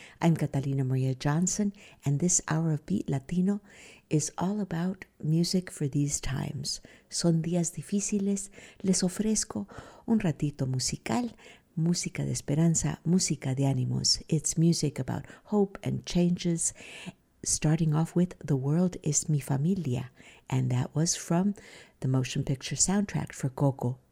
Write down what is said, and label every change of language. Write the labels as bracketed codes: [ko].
[en] I'm Catalina Maria Johnson, and this hour of Beat Latino is all about music for these times. [es] Son días difíciles. Les ofrezco un ratito musical, música de esperanza, música de ánimos. [en] It's music about hope and changes. Starting off with The World is Mi Familia, and that was from the motion picture soundtrack for Coco.